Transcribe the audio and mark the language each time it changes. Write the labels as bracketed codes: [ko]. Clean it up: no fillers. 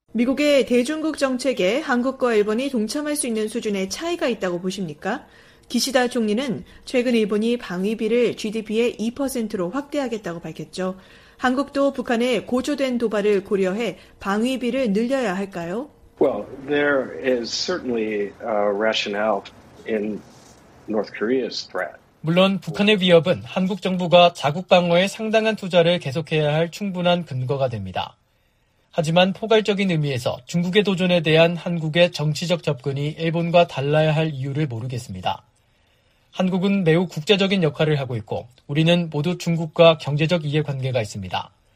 [ko] 미국의 대중국 정책에 한국과 일본이 동참할 수 있는 수준의 차이가 있다고 보십니까? 기시다 총리는 최근 일본이 방위비를 GDP의 2%로 확대하겠다고 밝혔죠. 한국도 북한의 고조된 도발을 고려해 방위비를 늘려야 할까요? [en] Well, there is certainly a rationale in North Korea's threat. [ko] 물론 북한의 위협은 한국 정부가 자국 방어에 상당한 투자를 계속해야 할 충분한 근거가 됩니다. 하지만 포괄적인 의미에서 중국의 도전에 대한 한국의 정치적 접근이 일본과 달라야 할 이유를 모르겠습니다. 한국은 매우 국제적인 역할을 하고 있고 우리는 모두 중국과 경제적 이해관계가 있습니다.